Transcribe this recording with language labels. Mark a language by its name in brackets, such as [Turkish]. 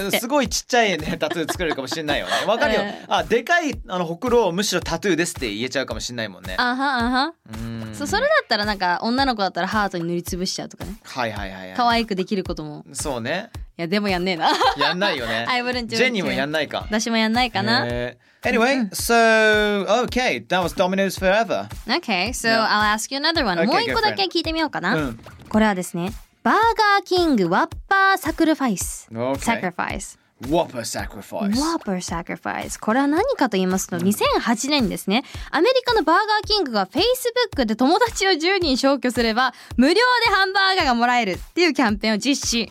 [Japanese] そうね、すごいちっちゃい、ね、タトゥー作れるかもしれないよね。わかるよ、あ、でかいあのほくろをむしろタトゥーですって言えちゃうかもしれないもんね。あはあは、それだったらなんか女の子だったらハートに塗りつぶしちゃうとかね。はいはいはい、可愛くできることも。そうね、いやでもやんねえな。やんないよね。 [English] I wouldn't do [Japanese] it. ジェニーもやんないか。私もやんないかな。 [English] Anyway, so okay, that was Domino's Forever. Okay, so I'll ask you another one. [Japanese] もう一個だけ聞いてみようかな。うん、これはですね、バーガーキングワッパーサクリファイス。 [English] Okay. [Japanese] サクリファイス。 [English] Whopper sacrifice. Whopper sacrifice. [Japanese] これは何かと言いますと、2008年ですね、アメリカのバーガーキングが Facebook で友達を10人消去すれば無料でハンバーガーがもらえるっていうキャンペーンを実施。